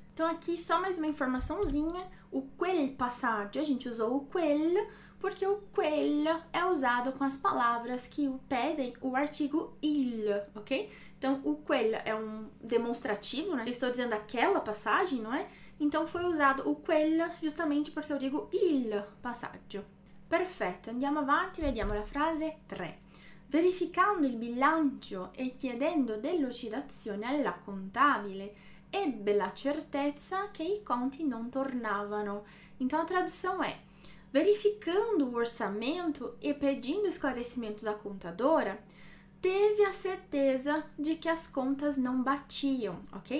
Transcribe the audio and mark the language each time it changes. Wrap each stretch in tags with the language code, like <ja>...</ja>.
<pt>Então aqui só mais uma informaçãozinha, o quel passaggio, a gente usou o quel, porque o quel é usado com as palavras que pedem o artigo il, ok? Então o quel é um demonstrativo, né? Eu estou dizendo aquela passagem, não é? Então foi usado o quel justamente porque eu digo il passaggio.</pt> <it>Perfetto, andiamo avanti, vediamo la frase 3. Verificando il bilancio e chiedendo delucidazione alla contabile, ebbe la certezza che i conti non tornavano.</it> <pt>Então a tradução è: verificando o orçamento e pedindo esclarecimento da contadora, teve a certeza de che as contas non batiam, ok?</pt>